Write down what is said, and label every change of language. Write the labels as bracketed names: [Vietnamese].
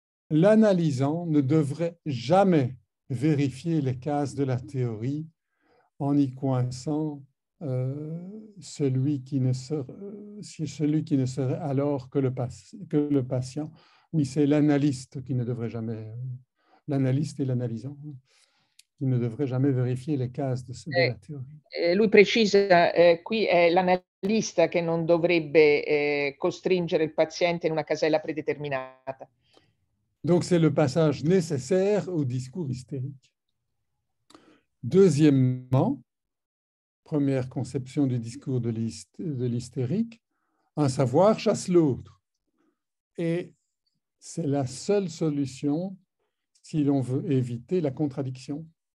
[French] L'analysant ne devrait jamais vérifier les cases de la théorie en y coinçant celui qui ne serait alors que le patient. Oui, c'est l'analyste qui ne devrait jamais, l'analyste et l'analysant, qui ne devrait jamais vérifier les cases de la théorie. Lui précise, [Italian] qui è l'analista che non dovrebbe costringere il paziente in una casella predeterminata. [French] Donc, c'est le passage nécessaire au discours hystérique. Deuxièmement, première conception du discours de l'hystérique, un savoir chasse l'autre. Et c'est la seule solution si l'on veut éviter la contradiction.